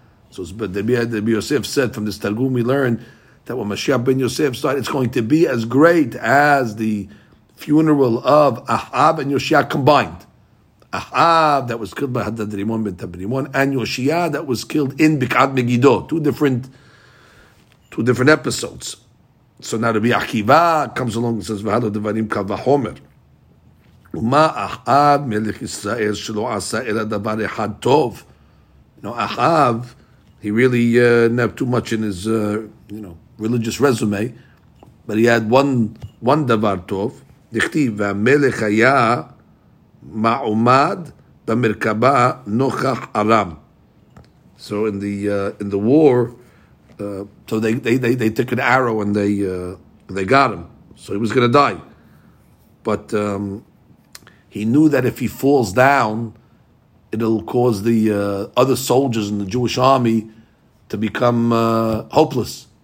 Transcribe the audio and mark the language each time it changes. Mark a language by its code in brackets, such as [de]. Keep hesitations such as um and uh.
[en] So, but Rabbi Yosef said from this Targum, we learn that when Mashiach ben Yosef started, it's going to be as great as the funeral of Ahab and Yoshiah combined. Ahab that was killed by Hadad Rimon ben Tabrimon, and Yoshiah that was killed in Bikat Megiddo. Two different, two different episodes. So now Rabbi Akiva comes along and says, "V'halo devarim kavahomer." [he] ומה אחאב מלך ישראל שלא עשה אלא דבר אחד טוב? [en] You know, Ahab, he really uh, didn't have too much in his, uh, you know, religious resume, but he had one, one דבר טוב. [he] דכתיב, והמלך היה מעומד במרכבה נוכח ארם. [en] So in the, uh, in the war, uh, so they, they, they, they, took an arrow and they, uh, they got him. So he was going to die. But um, he knew that if he falls down, it'll cause the uh, other soldiers in the Jewish army to become uh, hopeless.